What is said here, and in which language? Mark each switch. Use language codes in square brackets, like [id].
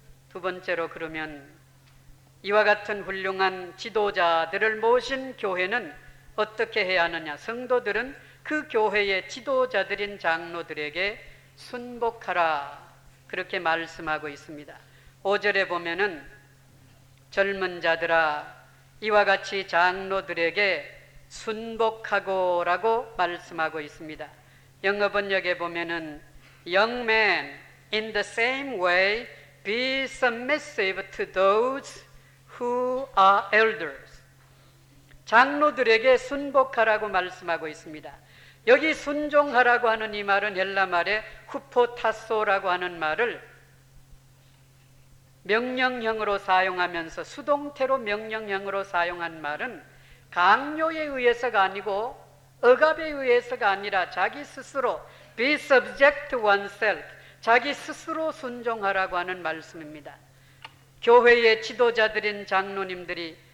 [ko] 두 번째로 그러면 이와 같은 훌륭한 지도자들을 모신 교회는 어떻게 해야 하느냐, 성도들은 그 교회의 지도자들인 장로들에게 순복하라 그렇게 말씀하고 있습니다. 5절에 보면은 젊은 자들아 이와 같이 장로들에게 순복하고 라고 말씀하고 있습니다. 영어 번역에 보면은 [en] Young men, in the same way, be submissive to those who are elders. [ko] 장로들에게 순복하라고 말씀하고 있습니다. 여기 순종하라고 하는 이 말은 헬라 말에 쿠포타소라고 하는 말을 명령형으로 사용하면서 수동태로 명령형으로 사용한 말은 강요에 의해서가 아니고 억압에 의해서가 아니라 자기 스스로 [en] be subject to oneself, [ko] 자기 스스로 순종하라고 하는 말씀입니다. 교회의 지도자들인 장로님들이